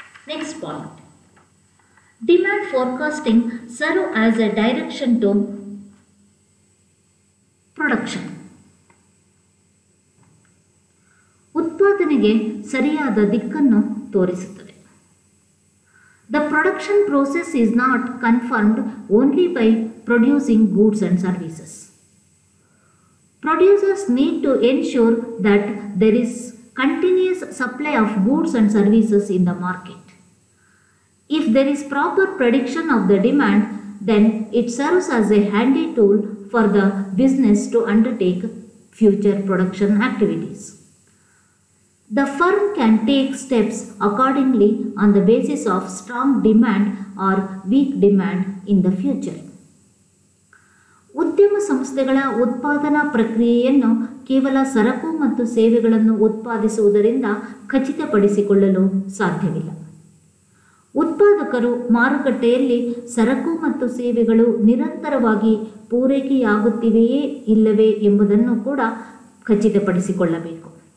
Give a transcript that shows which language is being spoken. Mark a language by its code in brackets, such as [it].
[en] next point, demand forecasting serve as a direction to production, [kn] ಉತ್ಪಾದನೆಗೆ ಸರಿಯಾದ ದಿಕ್ಕನ್ನು ತೋರಿಸುತ್ತದೆ. [en] The production process is not confirmed only by producing goods and services. Producers need to ensure that there is continuous supply of goods and services in the market. If there is proper prediction of the demand, then it serves as a handy tool for the business to undertake future production activities. The firm can take steps accordingly on the basis of strong demand or weak demand in the future. [kn] ಉದ್ಯಮ ಸಂಸ್ಥೆಗಳ ಉತ್ಪಾದನಾ ಪ್ರಕ್ರಿಯೆಯನ್ನು ಕೇವಲ ಸರಕು ಮತ್ತು ಸೇವೆಗಳನ್ನು ಉತ್ಪಾದಿಸುವುದರಿಂದ ಖಚಿತಪಡಿಸಿಕೊಳ್ಳಲು ಸಾಧ್ಯವಿಲ್ಲ. ಉತ್ಪಾದಕರು ಮಾರುಕಟ್ಟೆಯಲ್ಲಿ ಸರಕು ಮತ್ತು ಸೇವೆಗಳು ನಿರಂತರವಾಗಿ ಪೂರೈಕೆಯಾಗುತ್ತಿವೆಯೇ ಇಲ್ಲವೇ ಎಂಬುದನ್ನು ಕೂಡ ಖಚಿತಪಡಿಸಿಕೊಳ್ಳಬೇಕು.